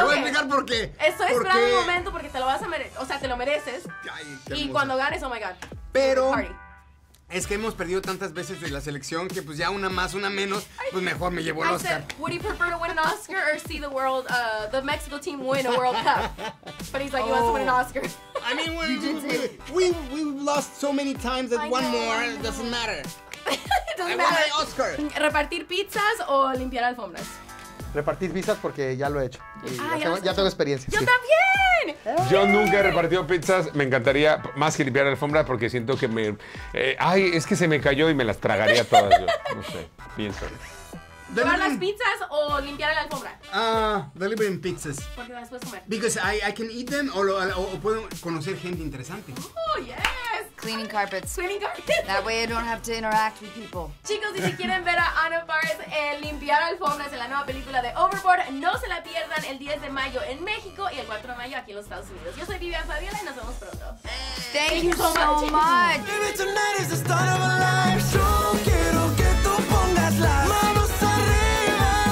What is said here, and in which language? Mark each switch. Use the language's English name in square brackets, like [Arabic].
[Spanish] Te voy a explicar por qué. Estoy esperando un momento porque te lo vas a merecer. O sea, te lo mereces. Ay, y cuando ganes, [English] oh my god. [Spanish] Pero. Es que hemos perdido tantas veces de la selección que pues ya una más, una menos, pues mejor me llevo el Oscar. [English] I said, would you prefer to win an Oscar or see the world, the Mexico team win a World Cup? But he's like, you want to win an Oscar. I mean, we've lost so many times that it doesn't matter. It doesn't matter. I want my Oscar. [Spanish] ¿Repartir pizzas o limpiar alfombras? Repartir pizzas porque ya lo he hecho. Ya tengo experiencia. ¡Yo también! Yo nunca he repartido pizzas. Me encantaría más que limpiar la alfombra porque siento que me... ¡ay! Es que se me cayó y me las tragaría todas yo. No sé. Pienso. ¿Llevar las pizzas o limpiar la alfombra? [English] Delivering pizzas. [Spanish] Porque las puedes comer. [English] Because I can eat them [Spanish] o puedo conocer gente interesante. [English] ¡Oh, yes! Cleaning carpets. Cleaning carpets. That way I don't have to interact with people. [Spanish] Chicos, y si quieren ver a Anna Faris limpiar alfombras en la nueva película de Overboard, no se la pierdan el 10 de mayo en México y el 4 de mayo aquí en los Estados Unidos. Yo soy Vivian Fabiola y nos vemos pronto. [English] Thank you so much. Baby, tonight is the start of a life show. [Spanish] Quiero que tú pongas las manos arriba.